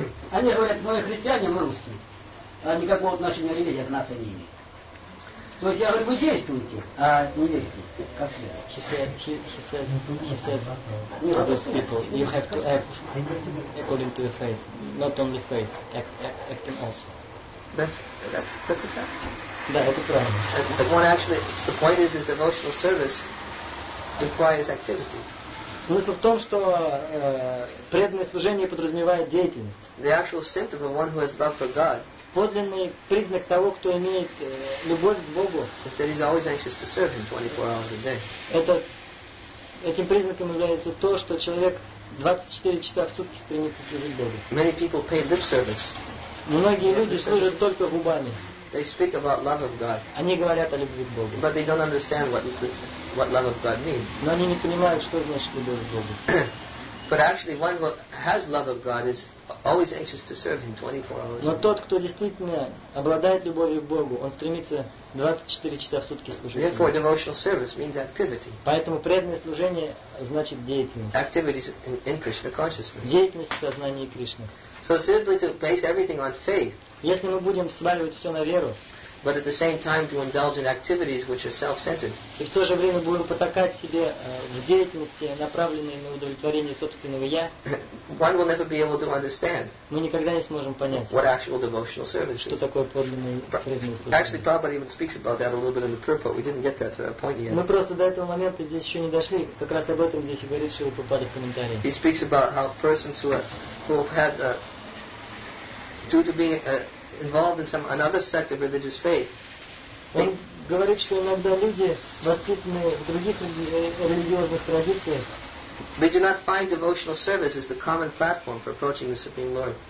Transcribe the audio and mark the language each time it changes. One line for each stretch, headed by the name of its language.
Russian: Они говорят, мы христиане, мы русские, а никакого отношения религия к нации не имеет. То есть я говорю, вы действуете, а не верите. Как следует?
English: He says to those people, you have to act according to your faith, not only faith, acting also. That's a fact.
Russian: Да, это правильно.
English: The one actually, the point is devotional service requires activity.
Russian: Смысл в том, что преданное служение подразумевает деятельность.
English: The actual symptom of one who has love for God.
Russian: Подлинный признак того, кто имеет любовь к Богу.
English: Is that he's always anxious to serve Him 24 hours a day.
Russian: Этим признаком является то, что человек 24 часа в сутки стремится служить Богу.
English: Many people pay lip service.
Russian: Многие люди служат только губами.
English: They speak about love of God.
Russian: Они говорят о любви к Богу.
English: But they don't understand what love of God means.
Russian: Но они не понимают, что значит любовь к Богу.
English: But actually, one who has love of God is always anxious to serve Him 24 hours.
Russian: Но тот, кто действительно обладает любовью к Богу, он стремится 24 часа в сутки служить.
English: Therefore, devotional service means activity.
Russian: Поэтому преданное служение значит деятельность.
English: Activity in Krishna consciousness.
Russian: Деятельность в сознании Кришны.
English: So simply to base everything on faith.
Russian: Если мы будем сваливать все на веру.
English: But at the same time to indulge in activities which are self-centered.
Russian: И в то же время будем потакать себе в деятельности, направленной на удовлетворение собственного я.
English: One will never be able to understand.
Russian: Мы никогда не сможем понять.
English: What actual devotional service is.
Russian: Что такое подлинное преданное служение.
English: Actually, Prabhupada even speaks about that a little bit in the purport. We didn't get that to that point yet.
Russian: Мы просто до этого момента здесь еще не дошли. Как раз об этом здесь и говорит Шрила Прабхупада в комментариях.
English: He speaks about how persons involved in some another sect of religious faith.
Russian: Он говорит, что иногда люди, воспитанные в других религиозных традициях,
English: they do not find devotional service as the common platform for approaching the Supreme Lord.